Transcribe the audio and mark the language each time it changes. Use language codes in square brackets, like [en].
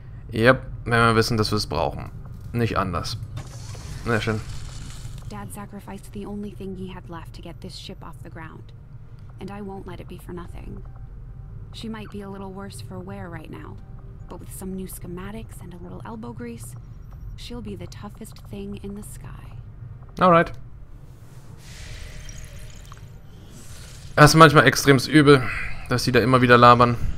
[de] Yep, wenn wir wissen, dass wir es brauchen. Nicht anders. Sehr schön. [en] Dad sacrificed the only thing he had left to get this ship off the ground. And I won't let it be for nothing. She might be a little worse for wear right now, but with some new schematics and a little elbow grease, she'll be the toughest thing in the sky. Alright. [de] Das ist manchmal extrem übel, dass sie da immer wieder labern.